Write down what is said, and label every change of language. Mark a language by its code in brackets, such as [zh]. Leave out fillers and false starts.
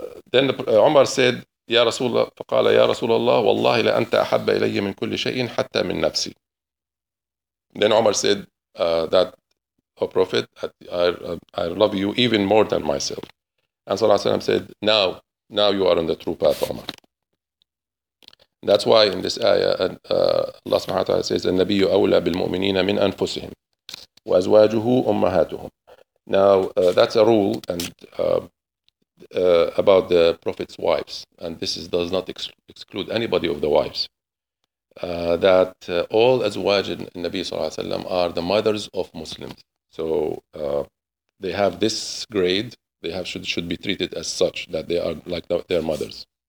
[en] Then Umar said, [ar] يا رسول الله فقال يا رسول الله والله لا أنت أحب إلي من كل شيء حتى من نفسي. [en] Then Umar said that, O Prophet, I love you even more than myself. And صلى الله عليه وسلم said, Now you are on the true path, Umar. That's why in this ayah, Allah subhanahu wa ta'ala says, [ar] النبي أولى بالمؤمنين من أنفسهم وأزواجه أمهاتهم. [en] Now, that's a rule and about the Prophet's wives. And this is, does not exclude anybody of the wives. That all Azwaj in Nabi sallallahu alayhi wa sallam are the mothers of Muslims. So they have this grade. They have should be treated as such, that they are like their mothers.